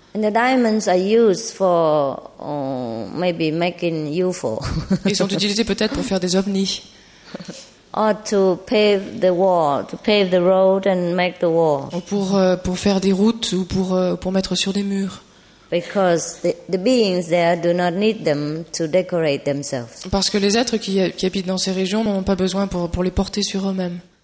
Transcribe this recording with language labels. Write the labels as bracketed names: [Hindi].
[English] And the diamonds are used for maybe making UFO. [French] Ils sont utilisés peut-être pour faire des ovnis. [English] Or to pave the wall, to pave the road and make the wall. [French] Ou pour faire des routes ou pour mettre sur des murs. [English] Because the beings there do not need them to decorate themselves. [French] Parce que les êtres qui habitent dans ces régions n'ont pas besoin pour les porter sur eux-mêmes.